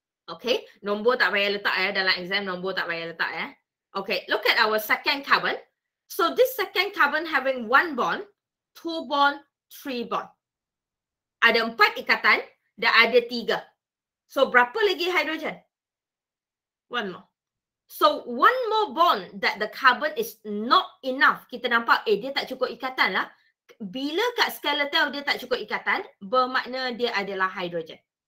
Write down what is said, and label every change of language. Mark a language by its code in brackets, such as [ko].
[ms] Okay, nombor tak payah letak ya, dalam exam nombor tak payah letak ya. [en] Okay, look at our second carbon. So this second carbon having one bond, two bond, three bond. [ms] Ada empat ikatan dan ada tiga. So berapa lagi hidrogen? [en] One more. So one more bond that the carbon is not enough. [ms] Kita nampak dia tak cukup ikatan lah. Bila kat skeletal dia tak cukup ikatan, bermakna dia adalah hidrogen.